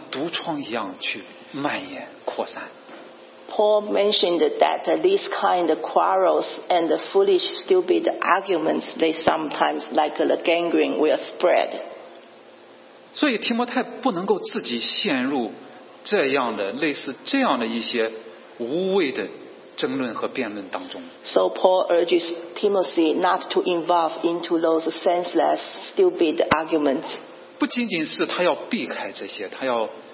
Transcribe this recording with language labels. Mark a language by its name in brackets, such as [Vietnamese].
[Chinese] 保罗这里也提醒了，他也提到了这些事情的后果，这样的败坏，这样的争竞，这样的就像毒疮一样去蔓延扩散。 [English] Paul mentioned that these kind of quarrels and the foolish, stupid arguments, they sometimes, like the gangrene, will spread. [Chinese] 所以提摩太不能够自己陷入这样的类似这样的一些无谓的争论和辩论当中。 [English] So Paul urges Timothy not to involve into those senseless, stupid arguments. [Chinese] 不仅仅是他要避开这些，他要